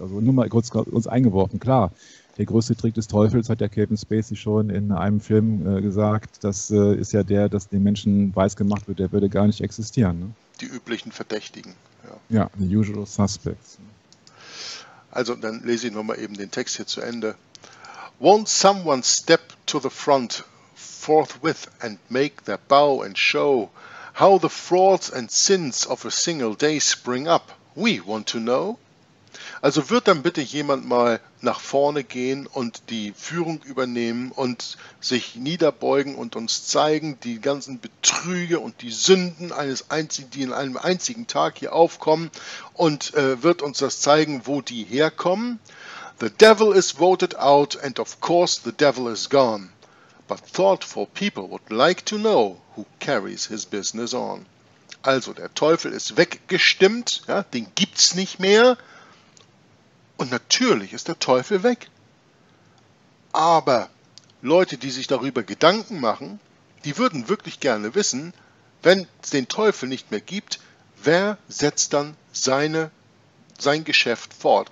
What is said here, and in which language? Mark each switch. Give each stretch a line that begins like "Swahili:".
German: Also nur mal kurz uns eingeworfen, klar, der größte Trick des Teufels, hat ja Kevin Spacey schon in einem Film gesagt, das ist ja der, dass den Menschen weisgemacht wird, der würde gar nicht existieren. Ne? Die üblichen Verdächtigen.
English: Ja, the usual suspects.
German: Also dann lese ich nochmal eben den Text hier zu Ende.
English: Won't someone step to the front forthwith and make their bow and show how the frauds and sins of a single day spring up? We want to know.
German: Also wird dann bitte jemand mal nach vorne gehen und die Führung übernehmen und sich niederbeugen und uns zeigen, die ganzen Betrüge und die Sünden, die in einem einzigen Tag hier aufkommen, und wird uns das zeigen, wo die herkommen?
English: The devil is voted out, and of course the devil is gone. But thoughtful people would like to know who carries his business on.
German: Also, der Teufel ist weggestimmt, ja, den gibt's nicht mehr. Und natürlich ist der Teufel weg. Aber Leute, die sich darüber Gedanken machen, die würden wirklich gerne wissen, wenn es den Teufel nicht mehr gibt, wer setzt dann sein Geschäft fort?